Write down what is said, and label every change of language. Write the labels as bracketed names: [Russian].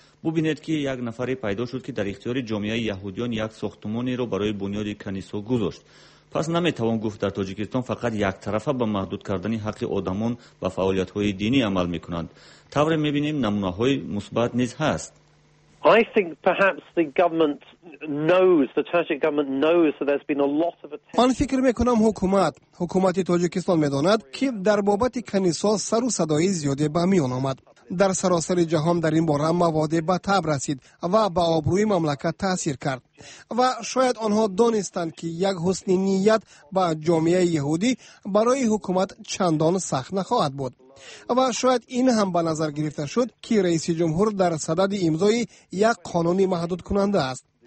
[Persian] ببینید که یک نفری پیدا شد که در اختیار جامعه یهودیان یک ساختمانی را برای بنیاد کنیسه گذاشت. پس نمیتوان گفت در تاجیکستان فقط یک طرفه به محدود کردن حق آدمان و فعالیت های دینی عمل میکنند. طوری میبینیم نمونه های مثبت نیز هست. [English] I think perhaps the government knows, the Tajik government knows that there's been a lot of attention. [Persian] من فکر میکنم حکومت تاجیکستان میداند که در بابت کنیسا سر و صدای زیادی به میان آمد. در سراسر جهان در این باره مواد به تب رسید و به آبروی مملکت تاثیر کرد و شاید آنها دانستند که یک حسن نیت با جامعه یهودی برای حکومت چندان سخت نخواهد بود و شاید این هم به نظر گرفته شد که رئیس جمهور در صدد امضای یک قانون محدود کننده است.